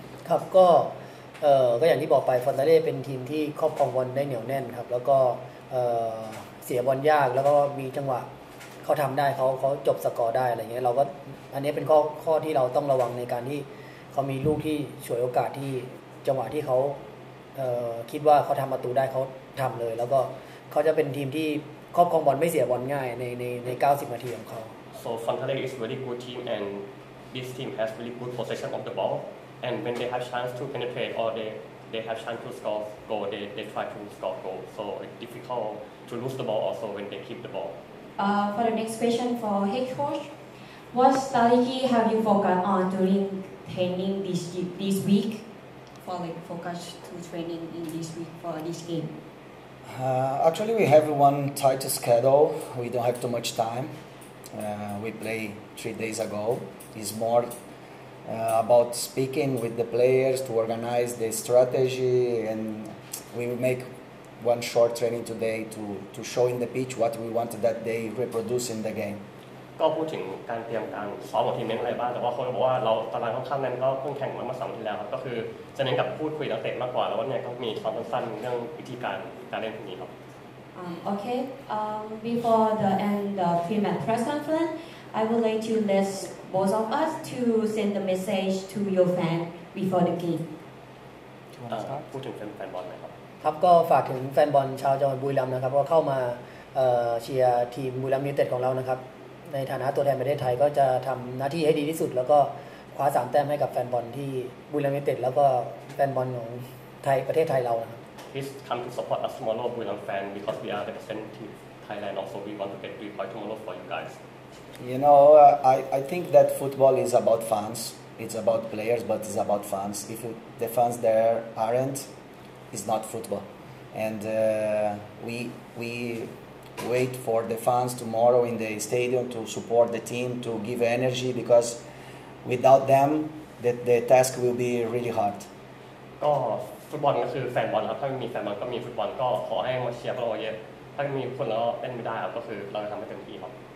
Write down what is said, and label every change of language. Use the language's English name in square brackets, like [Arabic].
[Thai] ครับก็อย่างที่บอกไปฟอนทาเล่เป็นทีมที่ครอบครองบอลได้เหนียวแน่นครับแล้วก็เสียบอลยากแล้วก็มีจังหวะเขาทำได้เขาจบสกอร์ได้อะไรเงี้ยเราก็อันนี้เป็นข้อที่เราต้องระวังในการที่เขามีลูกที่ฉวยโอกาสที่จังหวะที่เขาคิดว่าเขาทำประตูได้เขาทำเลยแล้วก็เขาจะเป็นทีมที่ครอบครองบอลไม่เสียบอลง่ายใน90นาทีของเขา [English] So Frontale is very good team and this team has really good possession of the ball and when they have chance to penetrate or they have chance to score goal they try to score goal so it's difficult to lose the ball also when they keep the ball For the next question for head coach what strategy have you focused on during training this week for like focus to training in this week for this game Actually, we have one tight schedule. We don't have too much time. We play 3 days ago. It's more about speaking with the players to organize the strategy, and we make one short training today to show in the pitch what we want that they reproduce in the game. [Thai] ก็พูดถึงการเตรียมการซ้อมของทีมเน้นอะไรบ้างแต่ว่าโค้ชบอกว่าเราตารางค่อนข้างแน่นก็เพิ่งแข่งมา2ทีแล้วครับก็คือจะเน้นกับพูดคุยนักเตะมากกว่าแล้ววันนี้ก็มีซ้อมสั้นเรื่องวิธีการการเล่นพวกนี้ครับ [English] Okay. Before the end of pre-match press conference, I would like to list both of us to send a message to your fan before the game. [Thai] พูดถึงแฟนบอลไหมครับ ครับก็ฝากถึงแฟนบอลชาวจังหวัดบุรีรัมย์นะครับว่าเข้ามาเชียร์ทีมบุรีรัมย์ยูไนเต็ดของเรานะครับในฐานะตัวแทนประเทศไทยก็จะทำหน้าที่ให้ดีที่สุดแล้วก็คว้า3แต้มให้กับแฟนบอลที่บุรีรัมย์ยูไนเต็ดแล้วก็แฟนบอลของไทยประเทศไทยเรานะครับ [English] Please come to support us tomorrow Buriram fan because we are the representative Thailand also we want to get 3 points tomorrow for you guys You know I think that football is about fans It's about players, but it's about fans. If the fans there aren't, it's not football. And we wait for the fans tomorrow in the stadium to support the team, to give energy, because without them, the task will be really hard. [Thai] ก็ฟุตบอลก็คือแฟนบอลครับถ้ามีแฟนบอลก็มีฟุตบอลก็ขอให้มาเชียร์พวกเราเยอะถ้ามีคนแล้วเล่นไม่ได้ครับก็คือเราจะทำให้เต็มที่ครับ